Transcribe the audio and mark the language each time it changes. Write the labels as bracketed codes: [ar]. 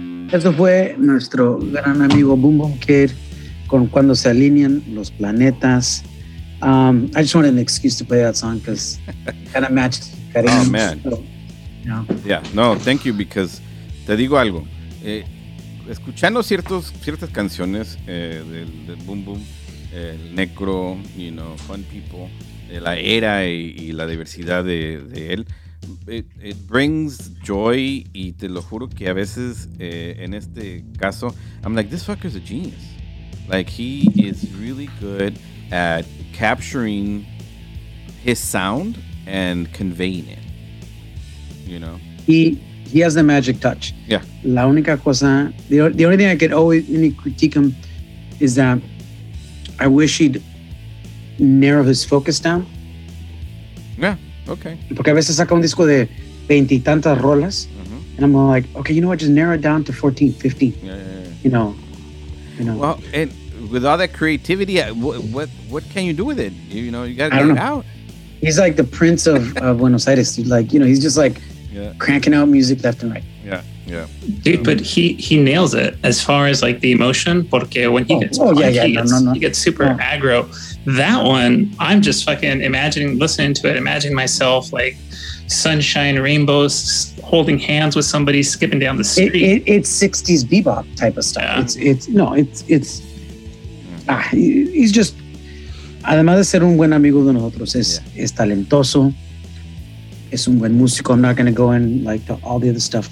[es] Eso fue nuestro gran amigo Boom Boom Kid con Cuando se alinean los planetas. [en] I just wanted an excuse to play that song because it kind of matches Karim. Oh, man. So, yeah. No, thank you, because [es] te digo algo. Escuchando ciertas canciones del Boom Boom, el Necro, you know, Fun People, la era y la diversidad de él, [en] it brings joy, [es] y te lo juro que a veces, en este caso, [en] I'm like, this fucker's a genius. Like, he is really good at capturing his sound and conveying it, you know? He has the magic touch. Yeah. [es] La única cosa, [en] the only thing I could always really critique him is that I wish he'd narrow his focus down. Yeah, okay. [es] Porque a veces saca un disco de veintitantas rolas, mm-hmm. [en] and I'm like, okay, you know what, just narrow it down to 14, 15. Yeah. You know. Well, and with all that creativity, what can you do with it? You know, you got to get it out. He's like the prince of Buenos Aires. Like, you know, he's just like, yeah, cranking out music left and right. Yeah. Dude, but he nails it as far as like the emotion, porque when he gets punky, he gets super aggro. That one, I'm just fucking imagining, listening to it, imagining myself like sunshine, rainbows, holding hands with somebody, skipping down the street. It's 60s bebop type of stuff. Yeah. He's just, [es] además de ser un buen amigo de nosotros, es talentoso. Es un buen músico. [en] I'm not going to go in like all the other stuff.